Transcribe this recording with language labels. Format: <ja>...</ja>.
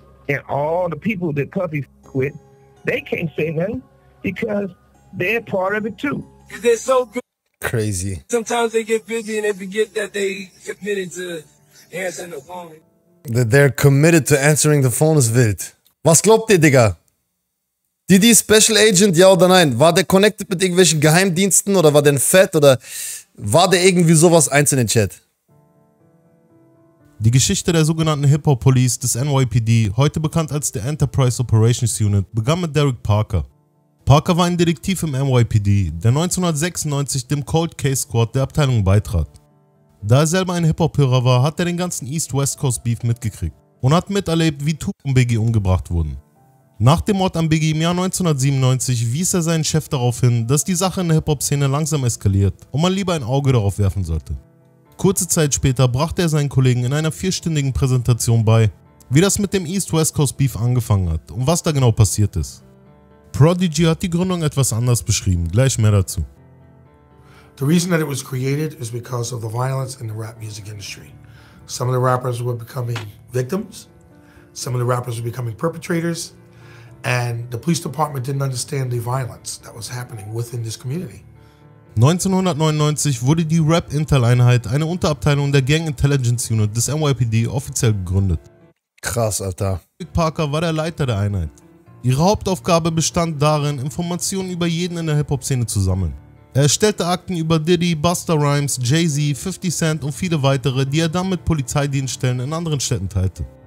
<en>And all the people that Puffy with, they can't say nothing because they're part of it too. They're so good. Crazy. Sometimes they get busy and they forget that they committed to answering the phone. That they're committed to answering the phone is wild.</en> <de>Was glaubt ihr, Digga? Diddy Special Agent, ja oder nein? War der connected mit irgendwelchen Geheimdiensten oder war der ein Fett oder war der irgendwie sowas eins in den Chat? Die Geschichte der sogenannten Hip-Hop-Police des NYPD, heute bekannt als der Enterprise Operations Unit, begann mit Derek Parker. Parker war ein Detektiv im NYPD, der 1996 dem Cold Case Squad der Abteilung beitrat. Da er selber ein Hip-Hop-Hörer war, hat er den ganzen East-West Coast Beef mitgekriegt und hat miterlebt, wie Tupac und Biggie umgebracht wurden. Nach dem Mord an Biggie im Jahr 1997 wies er seinen Chef darauf hin, dass die Sache in der Hip-Hop-Szene langsam eskaliert und man lieber ein Auge darauf werfen sollte. Kurze Zeit später brachte er seinen Kollegen in einer vierstündigen Präsentation bei, wie das mit dem East-West Coast Beef angefangen hat und was da genau passiert ist. Prodigy hat die Gründung etwas anders beschrieben, gleich mehr dazu.</de> <en>The reason that it was created is because of the violence in the rap music industry. Some of the rappers were becoming victims, some of the rappers were becoming perpetrators, and the police department didn't understand the violence that was happening within this community.</en> <de>1999 wurde die Rap Intel Einheit, eine Unterabteilung der Gang Intelligence Unit des NYPD, offiziell gegründet. Krass, Alter. Big Parker war der Leiter der Einheit. Ihre Hauptaufgabe bestand darin, Informationen über jeden in der Hip-Hop-Szene zu sammeln. Er erstellte Akten über Diddy, Busta Rhymes, Jay-Z, 50 Cent und viele weitere, die er dann mit Polizeidienststellen in anderen Städten teilte.</de>